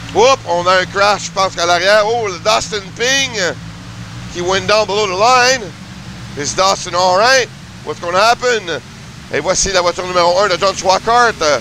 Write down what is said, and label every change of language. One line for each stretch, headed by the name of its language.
French: Whoop, on a un crash, je pense qu'à l'arrière.
English: Oh, le Dustin Ping, he went down below the line. Is Dustin all right? What's going to happen?
French: Et voici la voiture numéro 1 de John Schwackart.